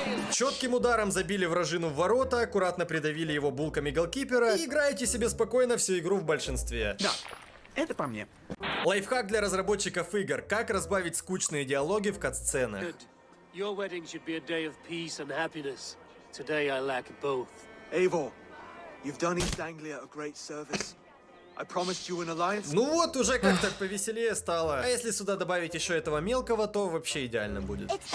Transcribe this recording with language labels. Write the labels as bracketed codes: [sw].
[ru] Четким ударом забили вражину в ворота, аккуратно придавили его булками голкипера и играете себе спокойно всю игру в большинстве. Да, это по мне. Лайфхак для разработчиков игр. Как разбавить скучные диалоги в катсценах? [en] Your wedding should be a day of peace and happiness. Today I lack both. Eivor, you've done East Anglia a great service. I promised you an alliance. [ru] Ну вот, уже как-то повеселее стало. А если сюда добавить еще этого мелкого, то вообще идеально будет.